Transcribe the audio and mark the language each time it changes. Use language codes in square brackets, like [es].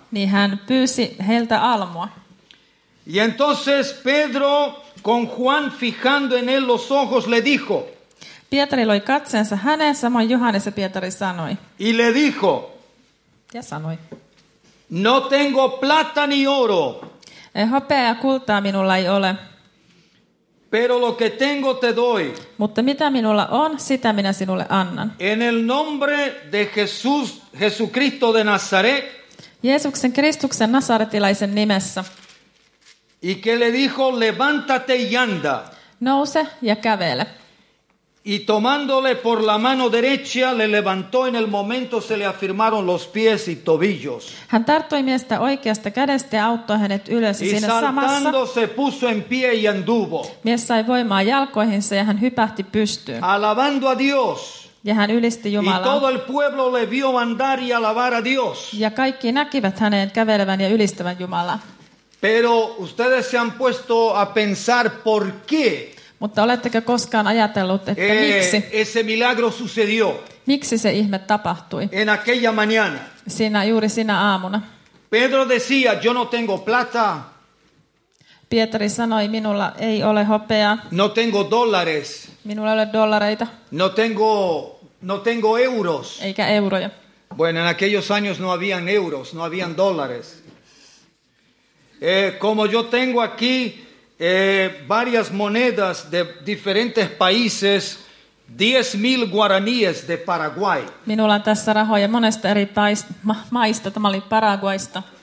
[fi] Niin hän pyysi heiltä almua. [es] Y entonces Pedro, con Juan fijando en él los ojos, le dijo. [fi] Pietari loi katseensa häneen, samoin Johannes ja Pietari sanoi. [es] Y le dijo. [fi] Ja sanoi. [es] No tengo plata ni oro. [fi] Hopea ja kultaa minulla ei ole. [es] Pero lo que tengo te doy. [fi] Mutta mitä minulla on, sitä minä sinulle annan. [es] En el nombre de Jesús, Jesucristo de Nazaret. [fi] Jeesuksen Kristuksen nasaretilaisen nimessä. [es] Y que le dijo, levántate y anda. [fi] Nouse ja kävele. [es] Y tomándole por la mano derecha, le levantó en el momento se le afirmaron los pies y tobillos. [fi] Hän tarttui miestä oikeasta kädestä ja auttoi hänet ylös [es] y [fi] siinä samassa. [es] Y saltando se puso en pie y anduvo. [fi] Mies sai voimaa jalkoihinsa ja hän hypähti pystyyn. [es] Alabando a Dios. [fi] Ja hän ylisti Jumalaa. [es] Y todo el pueblo le vio andar y alabar a Dios. [fi] Ja kaikki näkivät hänen kävelevän ja ylistävän Jumalaa. [es] Pero ustedes se han puesto a pensar por qué. [fi] Mutta olettekö koskaan ajatellut, että miksi? [es] Ese milagro sucedió. [fi] Miksi se ihme tapahtui? [es] En aquella mañana. [fi] Siinä, juuri sinä aamuna. [es] Pedro decía, yo no tengo plata. [fi] Pietari sanoi, minulla ei ole hopeaa. [es] No tengo dólares. [fi] Minulla ei ole dollareita. [es] No tengo euros. [fi] Eikä euroja. [es] Bueno, en aquellos años no habían euros, no habían dólares. Como yo tengo aquí varias monedas de diferentes países, 10,000 guaraníes de Paraguay. [fi] Minulla on tässä rahoja monesta eri maista, tämä oli Paraguaysta.